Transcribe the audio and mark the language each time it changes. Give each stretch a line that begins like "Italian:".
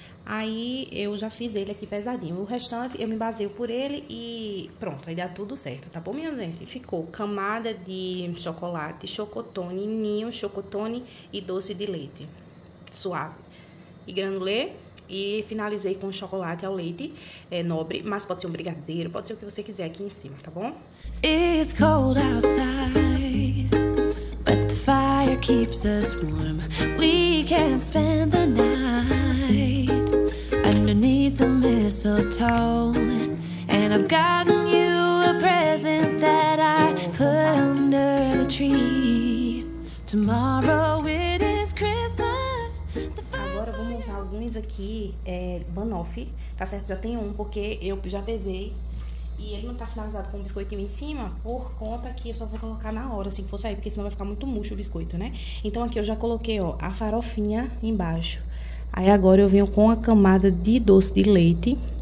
Portuguese: Aí eu já fiz ele aqui pesadinho. O restante eu me baseio por ele e pronto, aí dá tudo certo, tá bom, minha gente? Ficou camada de chocolate, chocotone, ninho, chocotone e doce de leite. Suave. E granulê. E finalizei com chocolate ao leite, nobre, mas pode ser um brigadeiro, pode ser o que você quiser aqui em cima, tá bom?
English: It's cold outside, but the fire keeps us warm. We can spend the night underneath the mistletoe. And I've gotten you a present that I put under the tree. Tomorrow it is.
Portuguese: Agora eu vou montar alguns aqui, banoffee, tá certo? Já tem um, porque eu já pesei e ele não tá finalizado com o biscoitinho em cima, por conta que eu só vou colocar na hora, assim que for sair, porque senão vai ficar muito murcho o biscoito, né? Então aqui eu já coloquei, ó, a farofinha embaixo. Aí agora eu venho com a camada de doce de leite.